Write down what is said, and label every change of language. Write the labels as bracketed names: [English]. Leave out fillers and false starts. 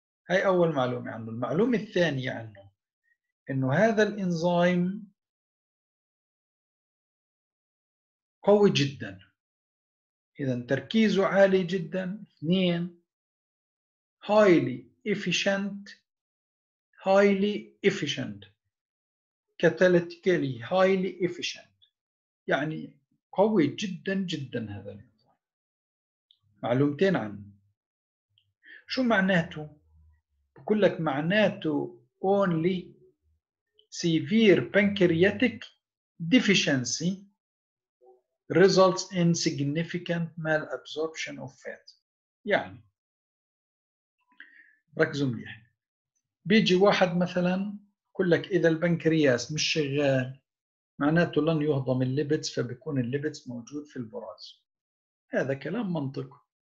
[Arabic] هاي أول معلومة عنه. المعلومة الثانية عنه إنه هذا الإنزيم قوي جدا، إذا تركيزه عالي جدا. [English] 2 highly efficient، highly efficient catalytically، highly efficient [Arabic] يعني قوي جدا جدا هذا الإنزيم. معلومتين عنه. شو معناته؟ بقول لك معناته [English] only severe pancreatic deficiency results in significant malabsorption of fat. [Arabic] يعني ركزوا منيح، بيجي واحد مثلا بقول لك اذا البنكرياس مش شغال معناته لن يهضم الليبتس، فبيكون الليبتس موجود في البراز. هذا كلام منطقي.